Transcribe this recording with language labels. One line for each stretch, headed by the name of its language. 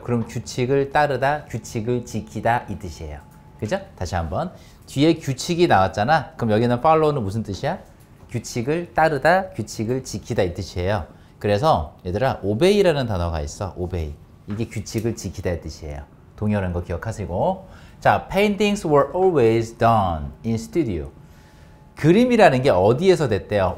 Korean: 그럼 규칙을 따르다, 규칙을 지키다 이 뜻이에요. 그죠? 다시 한번. 뒤에 규칙이 나왔잖아? 그럼 여기는 follow는 무슨 뜻이야? 규칙을 따르다, 규칙을 지키다 이 뜻이에요. 그래서, 얘들아, obey라는 단어가 있어.
English: obey.
Korean: 이게 규칙을 지키다 이 뜻이에요. 동요라는 거 기억하시고.
English: 자, paintings were always done in studio.
Korean: 그림이라는 게 어디에서 됐대요?